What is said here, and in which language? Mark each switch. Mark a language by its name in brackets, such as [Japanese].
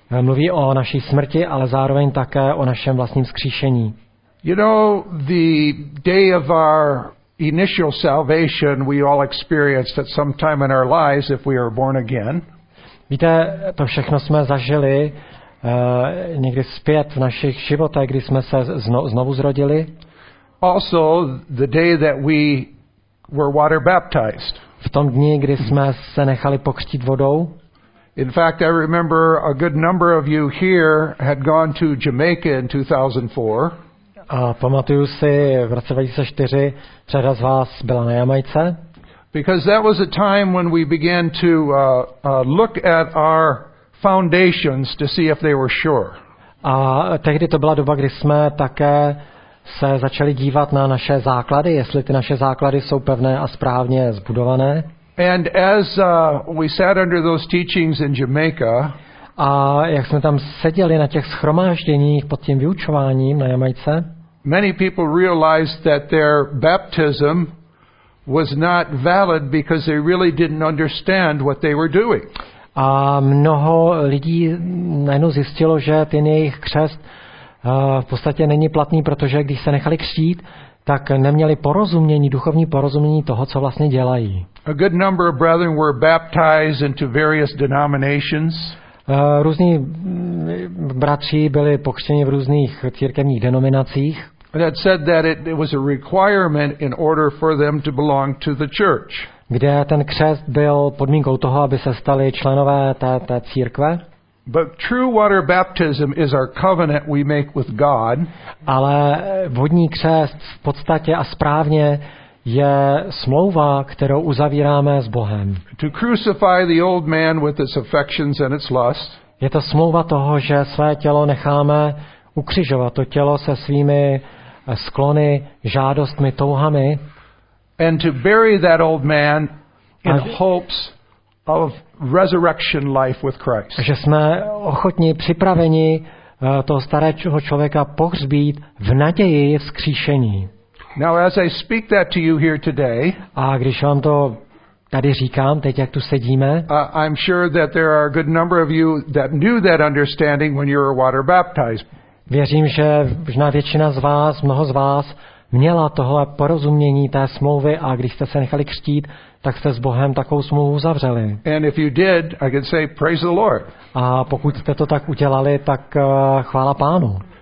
[Czech] Mluví o naší smrti, ale zároveň také o našem vlastním vzkříšení. [English] You know, the day of our initial salvation we all experienced at some time in our lives if we are born again. [Czech] Víte, to všechno jsme zažili někdy zpět v našich životech, kdy jsme se znovu zrodili. [English] Also the day that we were water baptized. [Czech] V tom dni, kdy jsme se nechali pokřtít vodou. [English] In fact, I remember a good number of you here had gone to Jamaica in 2004. [Czech] A pamatuju si, v roce 2004 řada z vás byla na Jamajce. [English] Because that was a time when we began to look at our foundations to see if they were sure. [Czech] A tehdy to byla doba, kdy jsme také se začali dívat na naše základy, jestli ty naše základy jsou pevné a správně zbudované. [English] And as we sat under those teachings in Jamaica, [Czech] a jak jsme tam seděli na těch shromážděních pod tím vyučováním na Jamajce, [English] many people realized that their baptism was not valid because they really didn't understand what they were doing. [Czech] A mnoho lidí najednou zjistilo, že ten jejich křest v podstatě není platný, protože když se nechali křtít, tak neměli porozumění, duchovní porozumění toho, co vlastně dělají. [English] A good number of brethren were baptized into various denominations. [Czech] Různí bratři byli pokřtěni v různých církevních denominacích. [English] That said that it was a requirement in order for them to belong to the church. [Czech] Kde ten křest byl podmínkou toho, aby se stali členové té církve. [English] But true water baptism is our covenant we make with God. [Czech] Ale vodní křest v podstatě a správně je smlouva, kterou uzavíráme s Bohem. [English] To crucify the old man with its affections and its lust. [Czech] Je to smlouva toho, že své tělo necháme ukřižovat, to tělo se svými sklony, žádostmi, touhami. [English] And to bury that old man in hopes of resurrection life with Christ. [Czech] Že jsme ochotni, připraveni toho starého člověka pohřbít v naději vzkříšení. [English] Now as I speak that to you here today, [Czech] a když vám to tady říkám, teď jak tu sedíme, [English] I'm sure that there are a good number of you that knew that understanding when you were water baptized. [Czech] Věřím, že možná většina z vás, mnoho z vás, měla tohle porozumění té smlouvy a když jste se nechali křtít, tak jste s Bohem takovou smlouvu uzavřeli. [English] And if you did, I can say praise the Lord. [Czech] A pokud jste to tak udělali, tak chvála Pánu.